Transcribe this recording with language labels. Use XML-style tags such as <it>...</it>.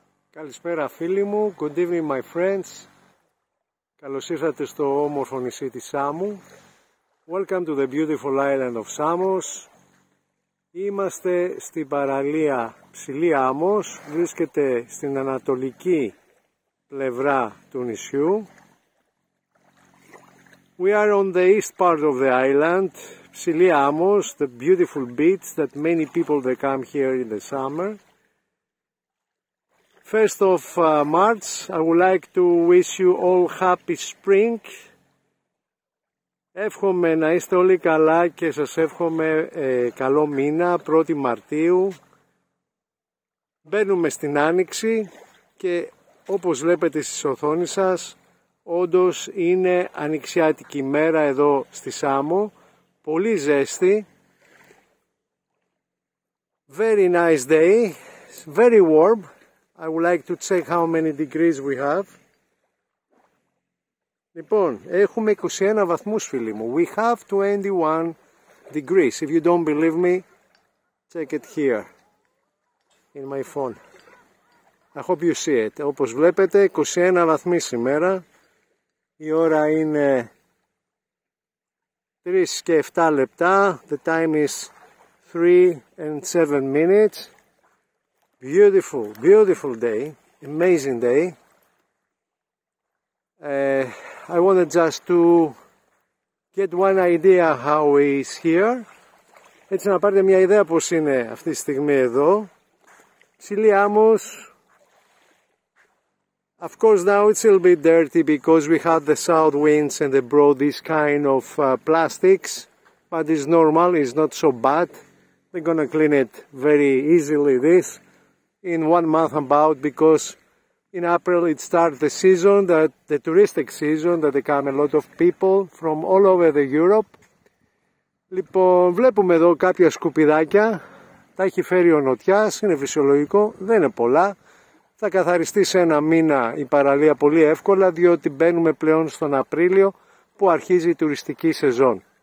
<el>Καλησπέρα φίλοι μου,</el> <en>good evening my friends.</en> <el>Καλώς ήρθατε στο όμορφο νησί της Σάμου.</el> <en>Welcome to the beautiful island of Samos.</en> <el>Είμαστε στην παραλία Ψηλή Άμμος, βρίσκεται στην ανατολική πλευρά του νησιού.</el> <en>We are on the east part of the island, Ψηλή Άμμος, the beautiful beach that many people they come here in the summer. First of March, I would like to wish you all happy spring.</en> <el>Εύχομαι να είστε όλοι καλά και σας εύχομαι καλό μήνα, 1η Μαρτίου. Μπαίνουμε στην άνοιξη και όπως βλέπετε στις οθόνες σας, όντως είναι ανοιξιάτικη ημέρα εδώ στη Σάμο. Πολύ ζέστη.</el> <en>Very nice day. Very warm. I would like to check how many degrees we have.</en> <el>Λοιπόν, έχουμε 21 βαθμούς, φίλοι μου.</el> <en>We have 21 degrees. If you don't believe me, check it here in my phone. I hope you see it.</en> <el>Όπως βλέπετε, 21 βαθμοί σήμερα. Η ώρα είναι 3 και 7 λεπτά.</el> <en>The time is 3 and 7 minutes. Beautiful, beautiful day. Amazing day. I wanted just to get one idea how is here.</en> <el>Έτσι να πάρετε μια ιδέα πώς είναι αυτή τη στιγμή εδώ. Ψηλή Άμμος.</el> <en>Of course now it's a little bit dirty because we had the south winds and they brought this kind of plastics. But it's normal, it's not so bad. They're gonna clean it very easily this. In 1 month about, because in April it starts the season, that the touristic season, that they come a lot of people from all over the Europe.</en> <el>Λοιπόν, βλέπουμε εδώ κάποια σκουπιδάκια. Τα έχει φέρει ο νοτιάς, είναι φυσιολογικό, δεν είναι πολλά. Θα καθαριστεί σε ένα μήνα η παραλία πολύ εύκολα, διότι μπαίνουμε πλέον στον Απρίλιο που αρχίζει η τουριστική σεζόν.</el>